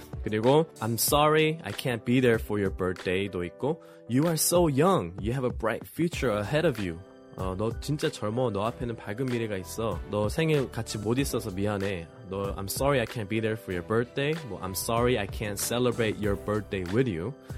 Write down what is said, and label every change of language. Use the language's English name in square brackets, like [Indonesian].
[English] 그리고 I'm sorry I can't be there for your birthday도 있고 You are so young. You have a bright future ahead of you. [Korean] 너 진짜 젊어. 너 앞에는 밝은 미래가 있어. 너 생일 같이 못 있어서 미안해. [English] 너 I'm sorry I can't be there for your birthday. 뭐 I'm sorry I can't celebrate your birthday with you.